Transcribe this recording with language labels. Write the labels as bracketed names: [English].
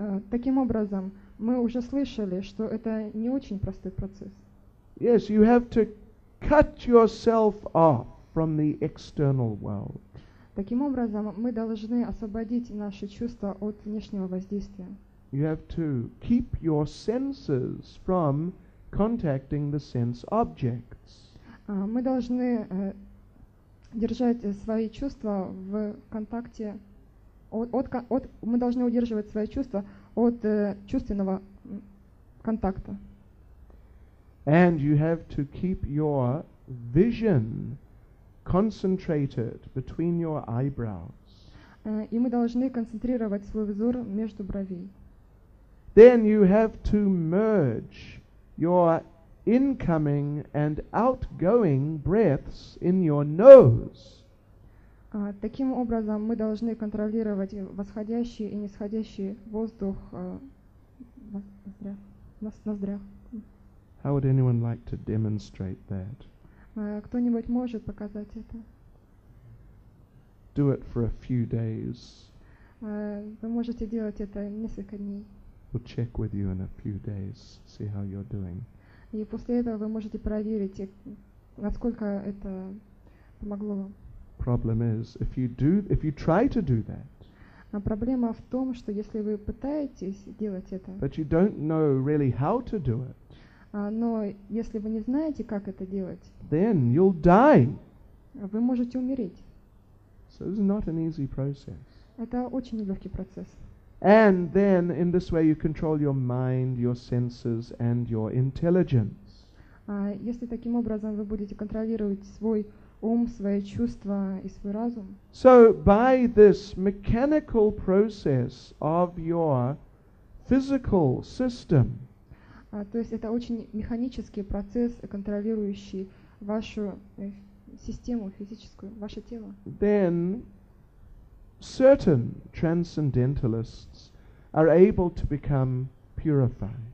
[Russian] Таким образом, мы уже слышали, что это не очень простой процесс. [English] Yes, you have to cut yourself off from the external world. [Russian] Таким образом, мы должны освободить наши чувства от внешнего воздействия. [English] You have to keep your senses from contacting the sense objects. [Russian] Мы должны держать свои чувства в контакте от мы должны удерживать свои чувства от чувственного контакта. [English] And you have to keep your vision concentrated between your eyebrows. [Russian] И мы должны концентрировать свой взор между бровей. [English] Then you have to merge your incoming and outgoing breaths in your nose. [Russian] Таким образом, мы должны контролировать восходящий и нисходящий воздух в ноздрях. [English] How would anyone like to demonstrate that? [Russian] Кто-нибудь может показать это? [English] Do it for a few days. [Russian] Вы можете делать это несколько дней. [English] We'll check with you in a few days, see how you're doing. [Russian] И после этого вы можете проверить, насколько это помогло вам. [English] Problem is, if you try to do that. [Russian] А проблема в том, что если вы пытаетесь делать это. [English] But you don't know really how to do it. [Russian] Но если вы не знаете, как это делать. [English] Then you'll die. [Russian] Вы можете умереть. [English] So this is not an easy process. [Russian] Это очень нелегкий процесс. [English] And then in this way you control your mind, your senses and your intelligence. [Russian] Если таким образом вы будете контролировать свой ум, свои чувства и свой разум. [English] So by this mechanical process of your physical system. [Russian] То есть это очень механический процесс, контролирующий вашу систему физическую, ваше тело. [English] Then certain transcendentalists are able to become purified.